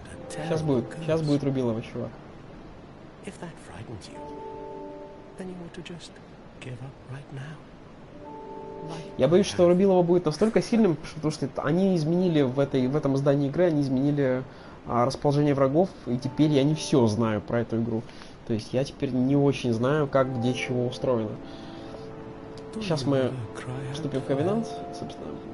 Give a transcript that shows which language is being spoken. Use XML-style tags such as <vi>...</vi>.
<ru>Сейчас будет рубилово, чувак.</ru> <en>If that frightens you, then you ought to just give up right now.</en> <ru>Я боюсь, что рубилово будет настолько сильным, потому что они изменили в этом издании игры, они изменили расположение врагов, и теперь я не все знаю про эту игру. То есть я теперь не очень знаю, как где чего устроено. Сейчас мы вступим в Ковенант, собственно.</ru>